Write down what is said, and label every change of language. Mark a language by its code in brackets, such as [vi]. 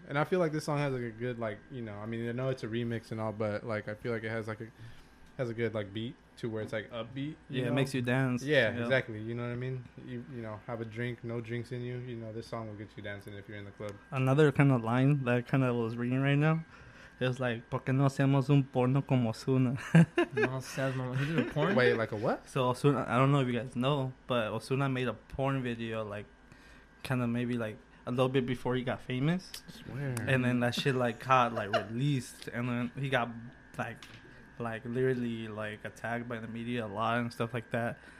[en] And I feel like this song has like a good, like, you know, I mean, I know it's a remix and all, but like, I feel like it has like a good like beat to where it's like upbeat. Yeah, know? It makes you dance. Yeah, yep. Exactly. You know what I mean? You know, have a drink, no drinks in you. You know, this song will get you dancing if you're in the club. Another kind of line that I kind of was reading right now. It was like, [es] ¿por qué no hacemos un porno como Ozuna? No seas mamá. [en] He did a porn? Wait, like a what? So Ozuna, I don't know if you guys know, but Ozuna made a porn video, like, kind of maybe like a little bit before he got famous. I swear. And then that shit, like, got, like, released. And then he got, like literally, like, attacked by the media a lot and stuff like that.